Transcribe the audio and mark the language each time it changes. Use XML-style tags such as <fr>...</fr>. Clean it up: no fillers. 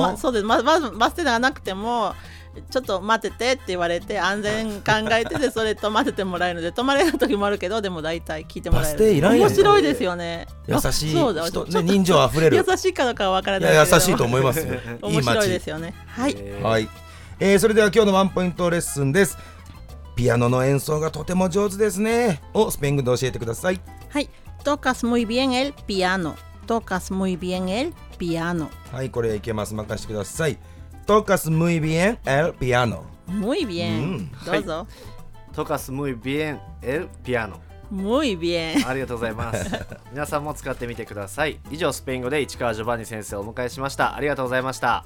<ja>ま、そうです、バス停がなくてもちょっと待ててって言われて、安全考えてて、それ止まっててもらえるので、止まれる時もあるけど、でも大体聞いてもらえる。やん。面白いですよね。優しい人、ね、人情あふれる。優しいかどうかは分からないけど、優しいと思いますよ。面白いですよね。はい、はい、それでは今日のワンポイントレッスンです。ピアノの演奏がとても上手ですね、をスペイン語で教えてください。</ja> <es>はい、 tocas muy bien el piano。 tocas muy bien el piano。</es> <ja>はい、これいけます、任せてください。</ja> <es>Tocas muy bien el piano. Muy bien.、</es> <ja>うん、どうぞ。</ja> <es>Tocas muy bien el piano. Muy bien.</es> <ja>ありがとうございます。皆さんも使ってみてください。以上、スペイン語で市川ジョバンニ先生をお迎えしました。ありがとうございました。</ja>